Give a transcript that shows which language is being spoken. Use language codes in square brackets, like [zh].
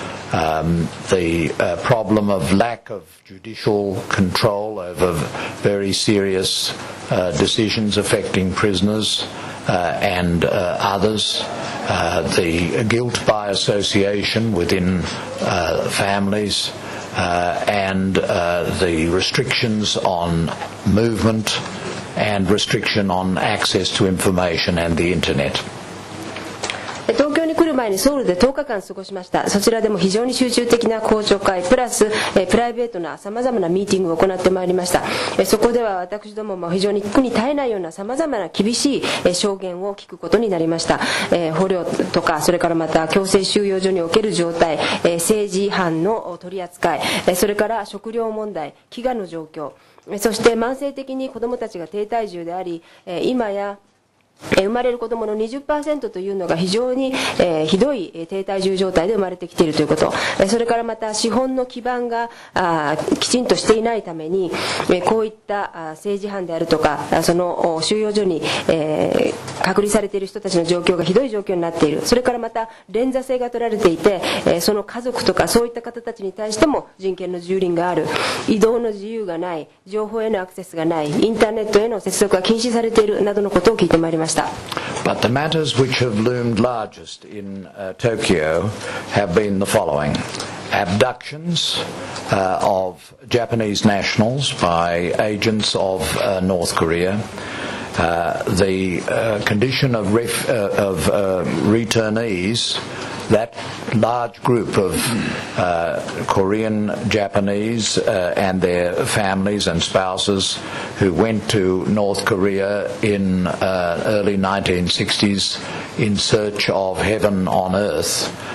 [en] The problem of lack of judicial control over very serious decisions affecting prisoners and others, the guilt by association within families, and the restrictions on movement and restriction on access to information and the internet. [ja] 東京に来る前にソウルで10日間過ごしました。そちらでも非常に集中的な公聴会プラス、プライベートなさまざまなミーティングを行ってまいりました。そこでは私どもも非常に苦に耐えないようなさまざまな厳しい、証言を聞くことになりました。捕虜とかそれからまた強制収容所における状態、政治犯の取り扱い、それから食料問題、飢餓の状況、そして慢性的に子どもたちが低体重であり、今や生まれる子どもの 20% というのが非常に、ひどい低体重状態で生まれてきているということ、それからまた資本の基盤がきちんとしていないために、こういった政治犯であるとかその収容所に、隔離されている人たちの状況がひどい状況になっている、それからまた連座制が取られていて、その家族とかそういった方たちに対しても人権の蹂躙がある、移動の自由がない、情報へのアクセスがない、インターネットへの接続が禁止されているなどのことを聞いてまいりました。 [en] But the matters which have loomed largest in Tokyo have been the following. Abductions of Japanese nationals by agents of North Korea. The condition of, returnees, that large group of Korean Japanese and their families and spouses who went to North Korea in early 1960s in search of heaven on earth,